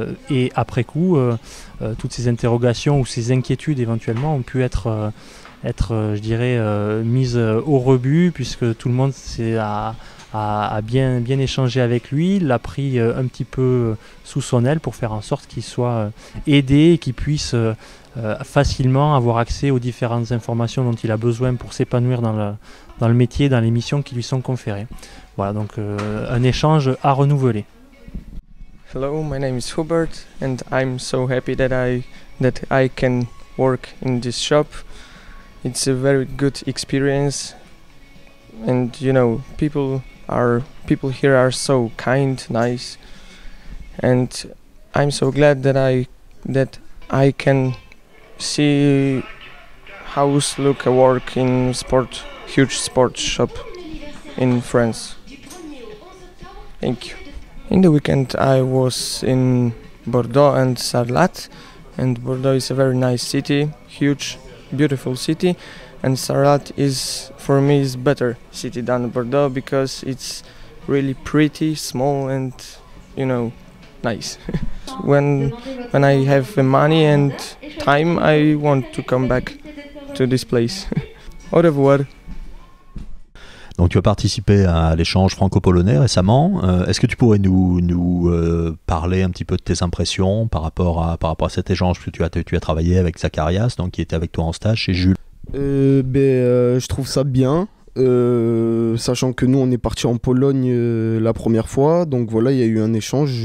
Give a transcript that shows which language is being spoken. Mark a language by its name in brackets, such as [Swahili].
[French] Et après coup, toutes ces interrogations ou ces inquiétudes éventuellement ont pu être mise au rebut, puisque tout le monde a bien échangé avec lui, l'a pris un petit peu sous son aile pour faire en sorte qu'il soit aidé et qu'il puisse facilement avoir accès aux différentes informations dont il a besoin pour s'épanouir dans le métier, dans les missions qui lui sont conférées. Voilà, donc un échange à renouveler. [English] Hello, my name is Hubert and I'm so happy that I can work in this shop. It's a very good experience. And you know, people here are so kind, nice, and I'm so glad that I can see how look a work in sport, huge sport shop in France. Thank you. In the weekend I was in Bordeaux and Sarlat, and Bordeaux is a very nice city, huge, beautiful city. And Sarlat is, for me, is better city than Bordeaux because it's really pretty, small, and you know, nice. when I have the money and time, I want to come back to this place. [French] Au revoir. Donc tu as participé à l'échange franco-polonais récemment. Est-ce que tu pourrais nous parler un petit peu de tes impressions par rapport à cet échange, que tu as travaillé avec Zacharias, donc qui était avec toi en stage chez Jules. Je trouve ça bien, sachant que nous on est parti en Pologne la première fois, donc voilà, il y a eu un échange.